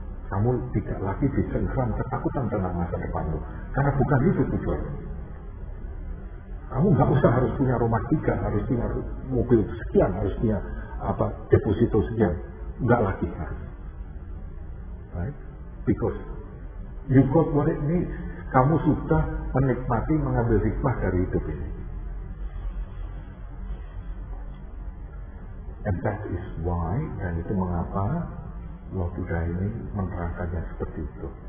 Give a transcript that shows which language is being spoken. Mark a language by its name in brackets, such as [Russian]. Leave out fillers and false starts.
[Indonesian] Kamu tidak lagi dicengkram ketakutan tentang masa depanmu, karena bukan itu tujuannya. Kamu nggak usah harus punya rumah tiga, harus punya mobil sekian, harus punya apa deposito sekian, nggak lagi harus. [English] Right? Because you got what it needs. [Indonesian] Kamu sudah menikmati mengambil hikmah dari hidup ini. [English] And that is why, [Indonesian] dan itu mengapa Lord Buddha ini menerangkannya seperti itu.